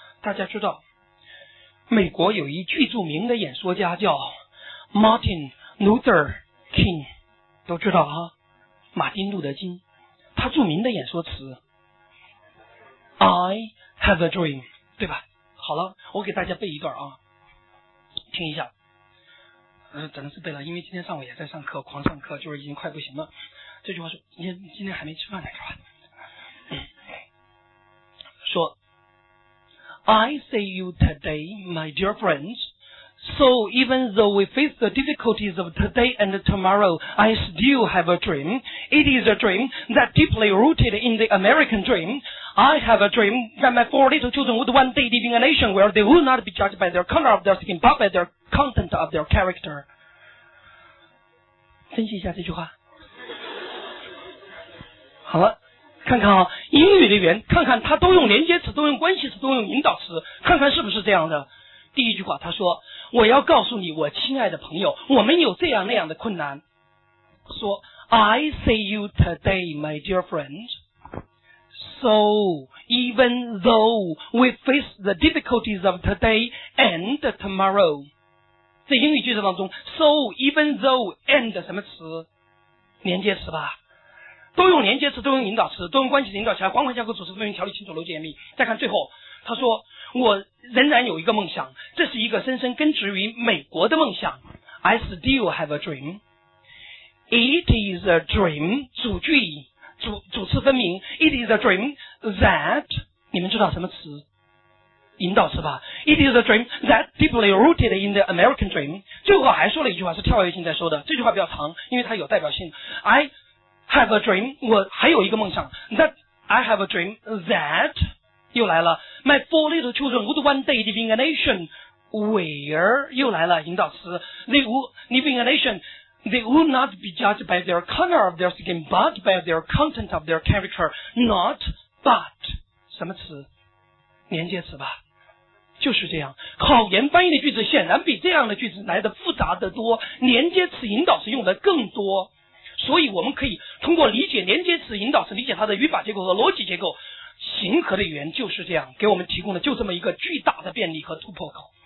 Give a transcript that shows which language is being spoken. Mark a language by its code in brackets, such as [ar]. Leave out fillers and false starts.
[zh] 大家知道美国有一巨著名的演说家叫 Martin Luther King， 都知道啊，马丁路德金，他著名的演说词 [en] I have a dream， [zh] 对吧？好了，我给大家背一段啊，听一下。只能是背了，因为今天上午也在上课，狂上课，就是已经快不行了。这句话说，今天还没吃饭呢，是吧？ [en] 说 I see you today, my dear friends. So even though we face the difficulties of today and tomorrow, I still have a dream. It is a dream that deeply rooted in the American dream. I have a dream that my four little children would one day live in a nation where they would not be judged by their color of their skin, but by their content of their character. [zh] 分析一下这句话。好了，看看啊，英语的语言，看看它都用连接词，都用关系词，都用引导词，看看是不是这样的。第一句话他说，我要告诉你我亲爱的朋友，我们有这样那样的困难，说 [en] I see you today my dear friend. So even though we face the difficulties of today and tomorrow， [zh] 在英语句子当中 So even though and 什么词，连接词吧，都用连接词，都用引导词，都用关系词引导起来，环环相扣，组织分明，条理清楚，逻辑严密。再看最后，他说：“我仍然有一个梦想，这是一个深深根植于美国的梦想。 [en] I still have a dream. It is a dream. [zh] 主句主次分明。 [en] It is a dream that [zh] 你们知道什么词？引导词吧。 [en] It is a dream that deeply rooted in the American dream. [zh] 最后还说了一句话，是跳跃性在说的。这句话比较长，因为它有代表性。 [en] I have a dream， [zh] 我还有一个梦想 [en] that I have a dream that 又来了 my four little children would one day live in a nation where [zh] 又来了引导词 [en] they would live in a nation they would not be judged by their color of their skin but by their content of their character not but [zh] 什么词，连接词吧，就是这样。考研翻译的句子显然比这样的句子来的复杂的多，连接词引导词用的更多，所以我们可以通过理解连接词引导词，理解它的语法结构和逻辑结构，形和的语言就是这样给我们提供的，就这么一个巨大的便利和突破口。